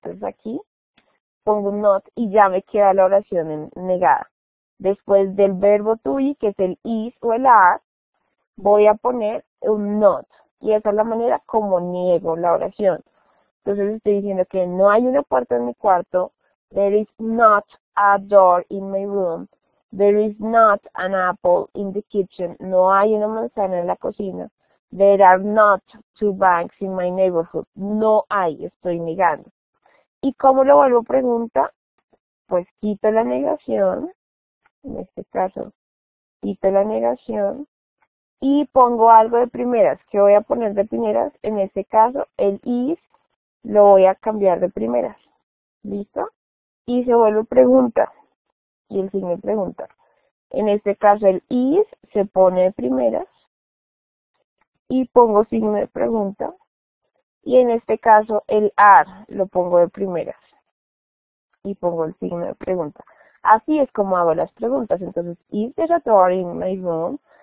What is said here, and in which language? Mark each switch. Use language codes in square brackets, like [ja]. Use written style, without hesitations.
[es] Entonces aquí pongo un not y ya me queda la oración negada. Después del verbo to be, que es el is o el are, voy a poner un not. Y esa es la manera como niego la oración. Entonces estoy diciendo que no hay una puerta en mi cuarto. [en] There is not a door in my room. There is not an apple in the kitchen. [es] No hay una manzana en la cocina. [en] There are not two banks in my neighborhood. [es] No hay, estoy negando. ¿Y cómo lo vuelvo pregunta? Pues quito la negación, en este caso, quito la negación y pongo algo de primeras. ¿Qué voy a poner de primeras? En este caso, el is lo voy a cambiar de primeras. ¿Listo? Y se vuelve pregunta. Y el signo de pregunta. En este caso, el is se pone de primeras. Y pongo signo de pregunta. Y en este caso el are lo pongo de primeras. Y pongo el signo de pregunta. Así es como hago las preguntas. [en] Entonces, is there a door in my room?